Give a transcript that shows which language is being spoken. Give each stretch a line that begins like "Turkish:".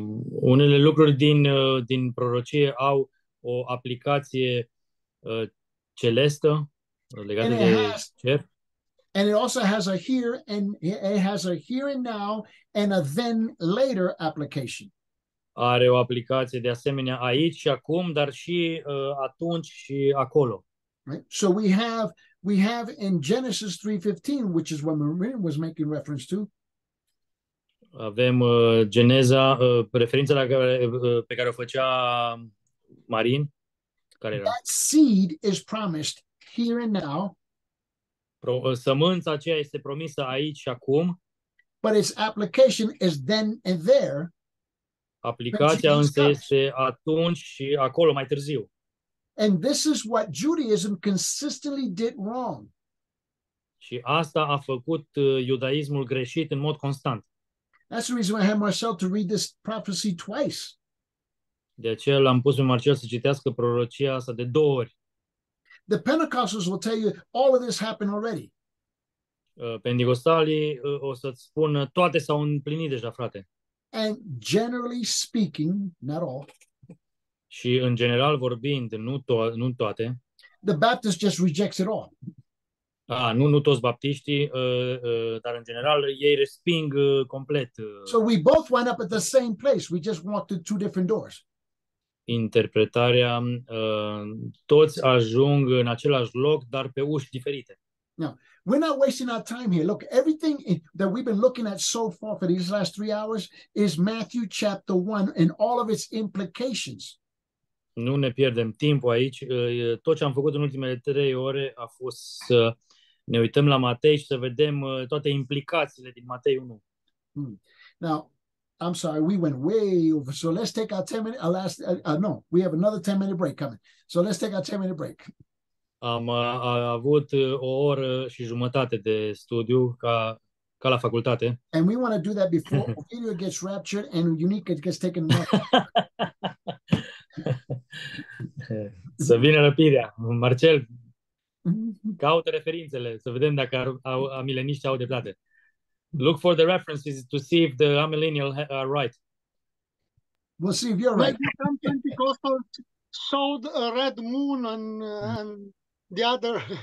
Romanian: Unele lucruri din prorocie au o aplicație celestă legată de cer.
English: And it also has a here and it has a here and now and a then later application.
Romanian: Are o aplicație de asemenea aici și acum, dar și atunci și acolo.
English: Right? So we have in Genesis 3:15, which is what Marin was making reference to.
Romanian: Avem Geneza, referința la care, pe care o făcea Marin. Care era?
English: That seed is promised here and now.
Romanian: Sămânța aceea este promisă aici și acum.
English: But its application is then and there.
Romanian: Aplicația însă este atunci și acolo mai târziu.
English: And this is what Judaism consistently did wrong.
Romanian: Și asta a făcut iudaismul greșit în mod constant.
English: That's the reason I had Marcel to read this prophecy twice.
Romanian: De aceea l-am pus pe Marcel să citească prorocia asta de două ori.
English: The Pentecostals will tell you all of this happened already.
Romanian: Pentecostalii o să-ți spună toate s-au împlinit deja, frate.
English: And generally speaking, not all.
Romanian: Și în general vorbind, nu toate.
English: The Baptist just rejects it all.
Romanian: Nu toți baptiștii, dar în general ei resping complet.
English: So we both wind up at the same place. We just walked through two different doors.
Romanian: Interpretarea, toți ajung în același loc, dar pe uși diferite.
English: Now, we're not wasting our time here. Look, everything that we've been looking at so far for these last 3 hours is Matthew chapter 1 and all of its implications.
Romanian: Nu ne pierdem timpul aici. Tot ce am făcut în ultimele 3 ore a fost să ne uităm la Matei și să vedem toate implicațiile din Matei 1.
English: Now, I'm sorry, we went way over. So let's take our 10-minute, we have another 10-minute break coming. So let's take our 10-minute break.
Romanian: Am avut o oră și jumătate de studiu ca la facultate.
English: And we want to do that before Ophelia gets raptured and Unica gets taken back.
Romanian: Să vină răpirea. Marcel, caută referințele să vedem dacă amileniști au dreptate.
English: Look for the references to see if the amillennial are right. We'll see if you're right. Maybe some Pentecostal showed a red moon and the other.